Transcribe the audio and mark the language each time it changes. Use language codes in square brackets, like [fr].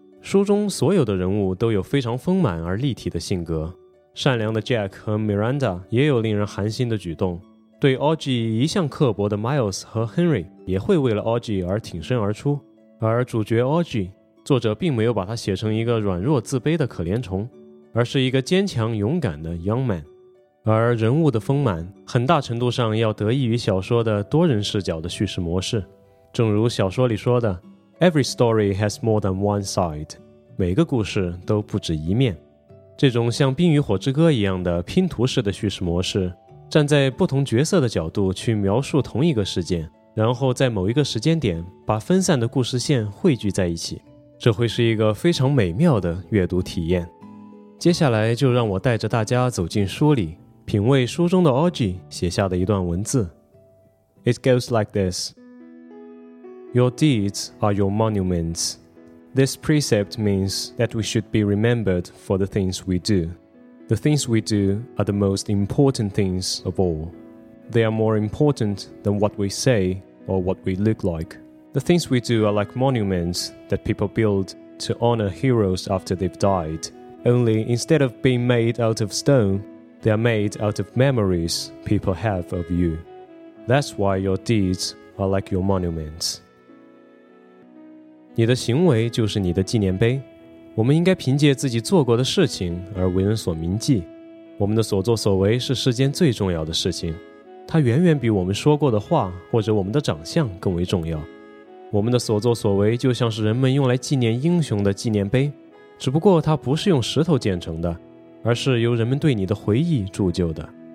[zh] 书中所有的人物都有非常丰满而立体的性格，善良的 Jack 和 Miranda 也有令人寒心的举动，对 Augie 一向刻薄的 Miles 和 Henry 也会为了 Augie 而挺身而出。而主角 Augie， 作者并没有把他写成一个软弱自卑的可怜虫，而是一个坚强勇敢的 young man。而人物的丰满很大程度上要得益于小说的多人视角的叙事模式。正如小说里说的， [en] Every story has more than one side. [zh] 每个故事都不止一面。这种像《冰与火之歌》一样的拼图式的叙事模式，站在不同角色的角度去描述同一个事件，然后在某一个时间点把分散的故事线汇聚在一起，这会是一个非常美妙的阅读体验。接下来就让我带着大家走进书里，品味书中的 Augie 写下的一段文字。 [en] It goes like this. Your deeds are your monuments. This precept means that we should be remembered for the things we do. The things we do are the most important things of all. They are more important than what we say or what we look like. The things we do are like monuments that people build to honor heroes after they've died. Only instead of being made out of stone, they are made out of memories people have of you. That's why your deeds are like your monuments. [zh] 你的行为就是你的纪念碑，我们应该凭借自己做过的事情而为人所铭记。我们的所作所为是世间最重要的事情，它远远比我们说过的话或者我们的长相更为重要。我们的所作所为就像是人们用来纪念英雄的纪念碑，只不过它不是用石头建成的，而是由人们对你的回忆铸就的。